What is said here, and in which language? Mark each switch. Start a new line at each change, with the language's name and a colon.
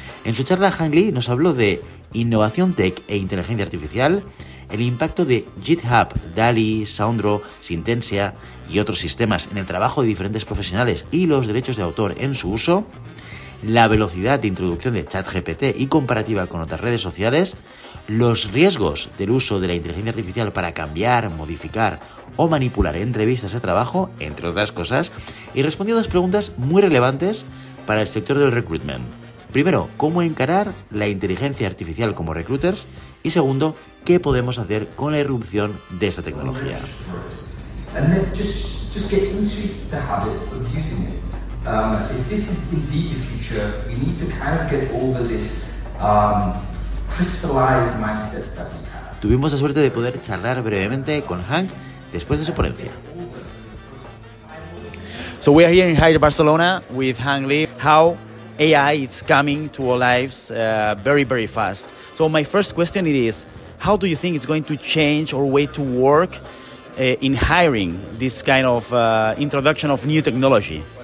Spanish: En su charla, Hang Li nos habló de innovación tech e inteligencia artificial, el impacto de GitHub, DALL-E, Soundro, Sintensia y otros sistemas en el trabajo de diferentes profesionales y los derechos de autor en su uso, la velocidad de introducción de ChatGPT y comparativa con otras redes sociales, los riesgos del uso de la inteligencia artificial para cambiar, modificar o manipular entrevistas de trabajo, entre otras cosas, y respondió a dos preguntas muy relevantes para el sector del recruitment. Primero, ¿cómo encarar la inteligencia artificial como recruiters? Y segundo, ¿qué podemos hacer con la irrupción de esta tecnología?
English: And then just get into the habit of using it. If this is indeed the future, we need to kind of get over this crystallized mindset that we have.
Spanish: Tuvimos la suerte de poder charlar brevemente con Hank después de su ponencia.
English: So we are here in Hyatt Barcelona with Hang Li. How AI is coming to our lives very, very fast. So my first question is, how do you think it's going to change our way to work in hiring this kind of introduction of new technology?